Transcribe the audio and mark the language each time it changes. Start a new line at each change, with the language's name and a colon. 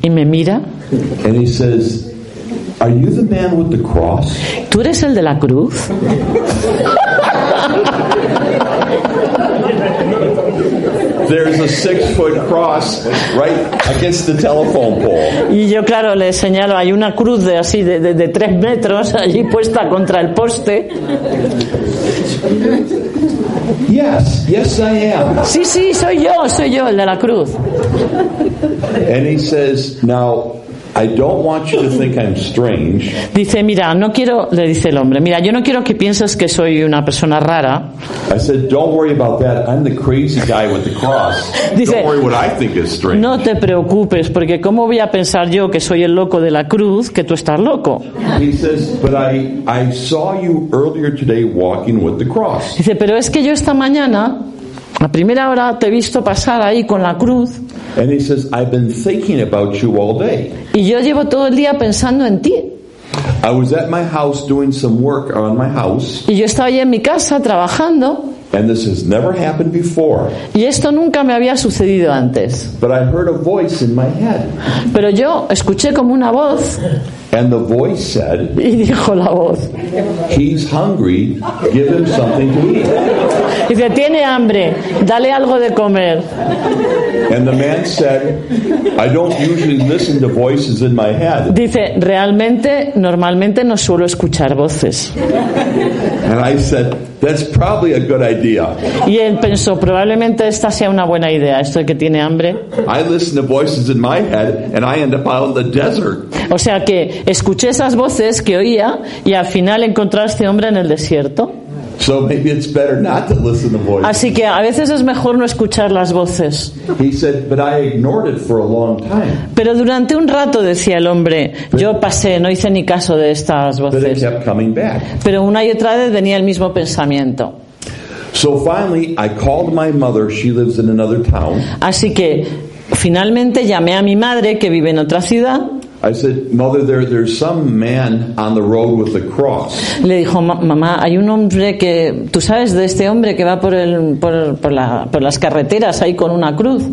Spanish: Y me mira.
English: And he says, "Are you the man with the cross?"
Spanish: ¿Tú eres el de la cruz?
English: There's a 6-foot cross right against the telephone pole.
Spanish: Y yo claro le señalo, hay una cruz de así de 3 metros allí puesta contra el poste.
English: Yes, I am.
Spanish: Sí, soy yo el de la cruz.
English: And he says, "Now I don't want you to think I'm strange."
Spanish: Dice, mira, no quiero, le dice el hombre, mira, yo no quiero que pienses que soy una persona rara.
English: I said, "Don't worry about that. I'm the crazy guy with the cross."
Spanish: Dice,
English: "Don't worry what I think is strange."
Spanish: No te preocupes, porque ¿cómo voy a pensar yo que soy el loco de la cruz que tú estás loco?
English: He says, "But I saw you earlier today walking with the cross."
Spanish: Dice, pero es que yo esta mañana, a primera hora, te he visto pasar ahí con la cruz.
English: And he says, "I've been thinking about you all day."
Spanish: Y yo llevo todo el día pensando en ti.
English: I was at my house doing some work around my house.
Spanish: Y yo estaba ahí en mi casa trabajando.
English: And this has never happened before.
Spanish: Y esto nunca me había sucedido antes.
English: But I heard a voice in my head.
Spanish: Pero yo escuché como una voz.
English: And the voice said,
Spanish: y dijo la voz,
English: "He's hungry. Give him something to eat."
Spanish: Y dice, tiene hambre, dale algo de comer.
English: And the man said, "I don't usually listen to voices in my head."
Spanish: Dice, realmente, normalmente no suelo escuchar voces.
English: And I said, "That's probably a good idea."
Spanish: Y él pensó, probablemente esta sea una buena idea, esto de que tiene hambre.
English: I listen to voices in my head and I end up out in the desert.
Spanish: O sea que escuché esas voces que oía y al final encontré a este hombre en el desierto.
English: So maybe it's better not to listen to voices.
Spanish: Así que a veces es mejor no escuchar las voces.
English: He said, "But I ignored it for a long time."
Spanish: Pero durante un rato, decía el hombre, yo pasé, no hice ni caso de estas voces.
English: But it kept coming back.
Spanish: Pero una y otra vez venía el mismo pensamiento.
English: So finally, I called my mother. She lives in another town.
Spanish: Así que finalmente llamé a mi madre, que vive en otra ciudad.
English: I said, "Mother, there's some man on the road with a cross."
Spanish: Le dijo, mamá, hay un hombre que, ¿tú sabes de este hombre que va por las carreteras ahí con una cruz?